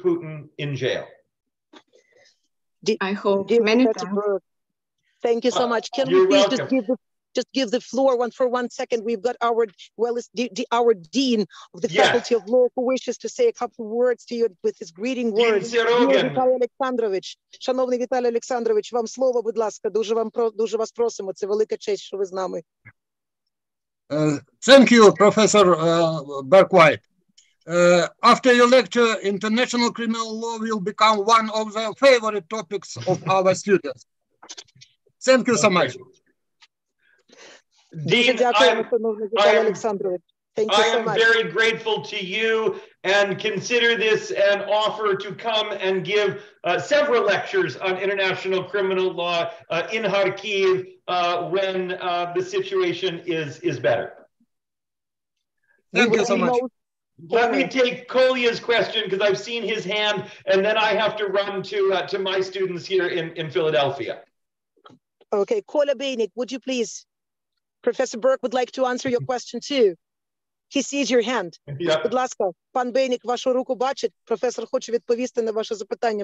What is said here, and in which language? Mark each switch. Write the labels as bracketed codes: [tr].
[en] Putin in jail. I hope many times. Thank you so much. Can we please just give the floor one for 1 second? We've got our dean of the Faculty of Law who wishes to say a couple of words to you with his greeting words. [uk] Віталій Олександрович, шановний Віталій Олександрович, вам слово, будь ласка. Дуже вас просимо. Це велика честь, що ви з нами. [en] Thank you, Professor Berk-Uajta. After your lecture, international criminal law will become one of the favorite topics of our students. Thank you so much. Dean, I am very grateful to you and consider this an offer to come and give several lectures on international criminal law in Kharkiv when the situation is better. Thank you so much. Let me take Kolya's question because I've seen his hand and then I have to run to my students here in Philadelphia. Okay, Kolya Beinik, would you please? Professor Berk would like to answer your question too. He sees your hand. Yeah. [uk] Будь ласка, пан Бейник, вашу руку бачить. Професор хоче відповісти на ваше запитання.